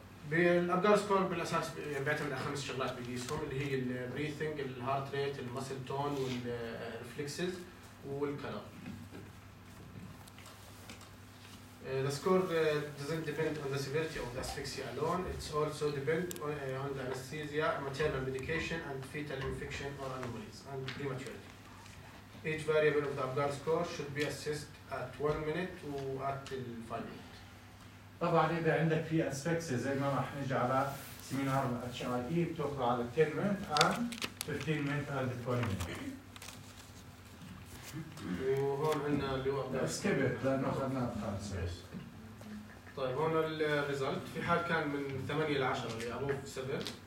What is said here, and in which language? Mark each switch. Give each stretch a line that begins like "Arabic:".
Arabic: بالأبغاز كود بالأساس بيعتمد على خمس شغلات بيقيسهم اللي هي البريثنج الهارت ريت المسل تون والرفلكسز والكلر.
English: The score doesn't depend on the severity of the asphyxia alone. It's also depend on the anesthesia, maternal medication, and fetal infection or anomalies and prematurity. Each variable of the Apgar score should be assessed at 1 minute or at 5 minutes.
Arabic: طبعاً إذا عندك في asphyxia زي ما راح نجي على سيمينار HIE بتوقع على
English: 10 minutes and 15 minutes and 20 minutes.
Arabic: وهون عندنا اللي هو سكيبت لانه اخذناه بخمسه. طيب هون الريزلت في حال كان من 8 ل 10 اللي ابوه 7